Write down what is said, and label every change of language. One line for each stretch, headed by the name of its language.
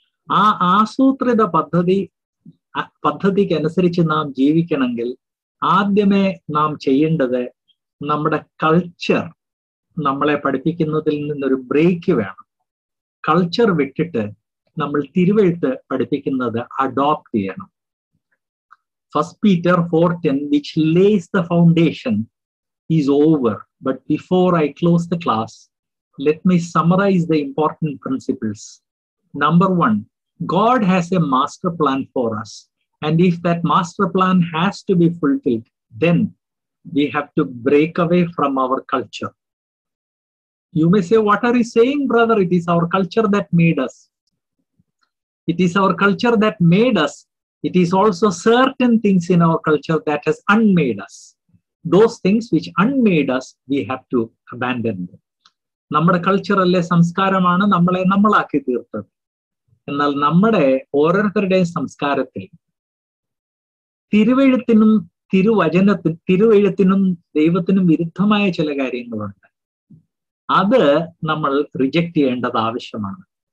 Malayalam: ആ ആസൂത്രിത പദ്ധതിക്ക് അനുസരിച്ച് നാം ജീവിക്കണമെങ്കിൽ ആദ്യമേ നാം ചെയ്യേണ്ടത് നമ്മുടെ കൾച്ചർ നമ്മളെ പഠിപ്പിക്കുന്നതിൽ നിന്നൊരു ബ്രേക്ക് വേണം. കൾച്ചർ വിട്ടിട്ട് നമ്മൾ തിരുവെഴുത്ത് പഠിപ്പിക്കുന്നത് അഡോപ്റ്റ് ചെയ്യണം.
English: 1 Peter 4:10 which lays the foundation is over. But before I close the class, let me summarize the important principles. Number 1, God has a master plan for us. And if that master plan has to be fulfilled, then we have to break away from our culture. You may say, what are you saying, brother? It is our culture that made us. It is our culture that made us. It is also certain things in our culture that has unmade us. Those things which unmade us, we have to abandon them.
Malayalam: നമ്മുടെ കൾച്ചറല്ലേ സംസ്കാരമാണ് നമ്മളെ നമ്മളാക്കി തീർത്തത്. എന്നാൽ നമ്മുടെ ഓരോരുത്തരുടെയും സംസ്കാരത്തിൽ തിരുവെഴുത്തിനും തിരുവെഴുത്തിനും ദൈവത്തിനും വിരുദ്ധമായ ചില കാര്യങ്ങളുണ്ട്. അത് നമ്മൾ റിജക്റ്റ് ചെയ്യേണ്ടത് ആവശ്യമാണ്.